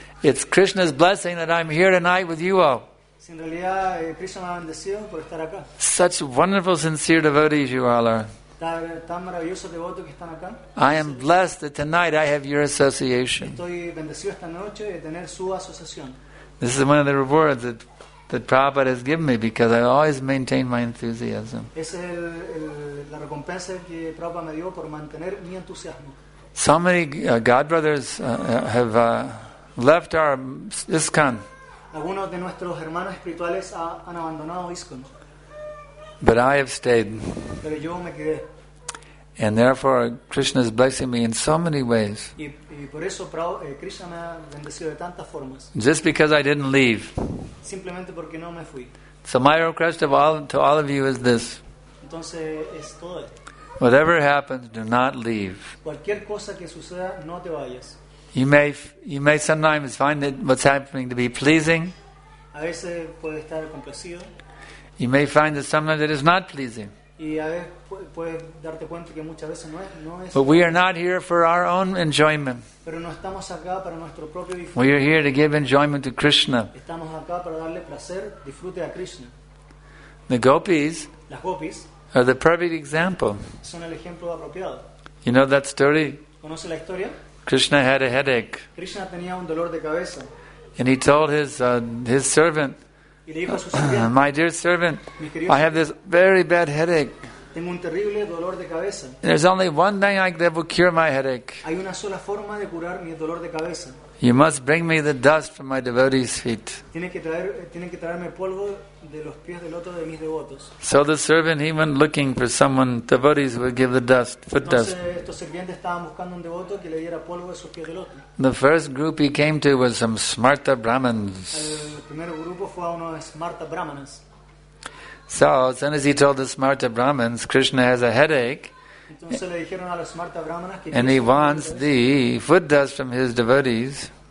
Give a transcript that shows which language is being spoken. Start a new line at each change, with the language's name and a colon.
English: It's Krishna's blessing that I'm here tonight with you all.
Spanish: En realidad, Krishna me ha bendecido por estar acá.
English: Such wonderful, sincere devotees you all are.
Spanish: Tan maravillosos devotos que están acá.
English: I am blessed that tonight I have your association.
Spanish: Estoy bendecido esta noche de tener su asociación.
English: This is one of the rewards that Prabhupada has given me because I always maintain my enthusiasm.
Spanish: La recompensa que Prabhupada me dio por mantener mi entusiasmo.
English: So many godbrothers have left our ISKCON.
Spanish: Algunos de nuestros hermanos espirituales han abandonado ISKCON.
English: But I have stayed.
Spanish: Pero yo me quedé.
English: And therefore Krishna is blessing me in so many ways.
Spanish: Y por eso Krishna me ha bendecido de tantas formas.
English: Just because I didn't leave.
Spanish: Simplemente porque no me fui.
English: So my request to all of you is this.
Spanish: Entonces es todo esto.
English: Whatever happens, do not leave.
Spanish: Cualquier cosa que suceda, no te vayas.
English: You may sometimes find that what's happening to be pleasing.
Spanish: A veces puede estar complacido.
English: You may find that sometimes it is not pleasing. But we are not here for our own enjoyment.
Spanish: Pero no estamos acá para nuestro propio disfrute.
English: We are here to give enjoyment to Krishna.
Spanish: Estamos acá para darle placer, disfrute a Krishna.
English: The gopis,
Spanish: las gopis
English: are the perfect example.
Spanish: Son el ejemplo apropiado.
English: You know that story?
Spanish: ¿Conoce la historia?
English: Krishna had a headache.
Spanish: Krishna tenía un dolor de cabeza.
English: And he told his servant, my dear servant, I have this very bad headache.
Spanish: Tengo un terrible dolor de cabeza.
English: There's only one thing that will cure my headache.
Spanish: Hay una sola forma de curar mi dolor de cabeza.
English: You must bring me the dust from my devotees' feet.
Spanish: Tienen que traerme polvo de los pies del loto de mis devotos.
English: So the servant, he went looking for someone, devotees would give the dust, foot dust.
Spanish: Entonces estos sirvientes estaban buscando un devoto que le diera polvo de sus pies del loto.
English: The first group he came to was some smarta brahmins.
Spanish: El primer grupo fue a unos smarta brahmanas.
English: So as soon as he told the smarta brahmins, Krishna has a headache.
Spanish: Entonces le dijeron a los smarta brahmanas que
English: and he wants the foot dust from his devotees.